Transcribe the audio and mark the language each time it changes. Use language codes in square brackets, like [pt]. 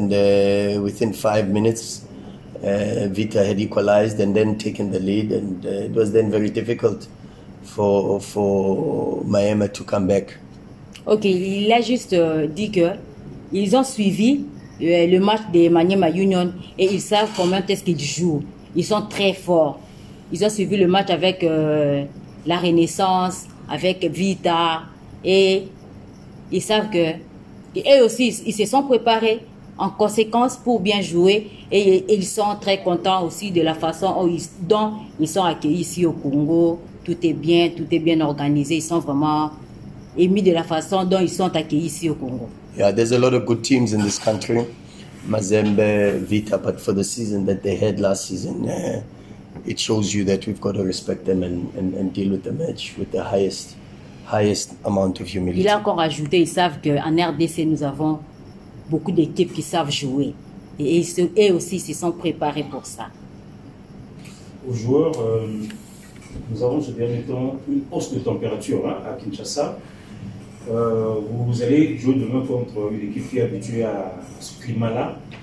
[en] And within 5 minutes, Vita had equalized and then taken the lead. And it was then very difficult for Maniema to come back. [fr] Okay, il a juste dit qu'ils ont suivi le match de Maniema Union et ils savent comment est-ce qu'ils jouent. Ils sont très forts. Ils ont suivi le match avec la Renaissance, avec Vita, et ils savent que et aussi, ils se sont préparés en conséquence pour bien jouer et ils sont très contents aussi de la façon dont ils sont accueillis ici au Congo. Tout est bien organisé. Ils sont vraiment émus de la façon dont ils sont accueillis ici au Congo. [en] Yeah, there's a lot of good teams in this country, Mazembe, Vita, but for the season that they had last season, it shows you that we've got to respect them and deal with the match with the highest amount of humility. [fr] Il a encore ajouté, ils savent qu'en RDC, nous avons beaucoup d'équipes qui savent jouer. Et eux aussi se sont préparés pour ça. Aux joueurs, nous avons ce dernier temps une hausse de température hein, à Kinshasa. Vous allez jouer demain contre une équipe qui est habituée à ce climat-là.